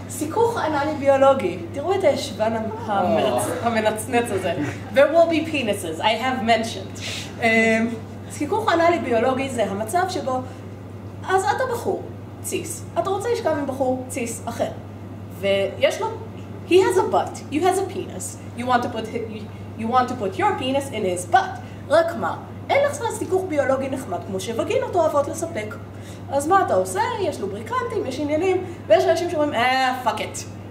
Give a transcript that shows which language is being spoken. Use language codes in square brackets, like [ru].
[he] סיכוך אנלי ביולוגי. תראו את הישבן המנצנץ הזה. [en] There will be penises, I have mentioned. [he] סיכוך אנלי ביולוגי זה המצב שבו, אז אתה בחור, ציס. אתה רוצה לשכב עם בחור, ציס, אחר. ויש לו... [en] He has a butt, you has a penis. You want to put your penis in his butt. [he] רק מה? אין לך סתם סיכוך ביולוגי נחמד, כמו שווגינות אוהבות לספק. אז מה אתה עושה? יש לובריקנטים, יש עניינים, ויש אנשים שאומרים, [en] fuck it.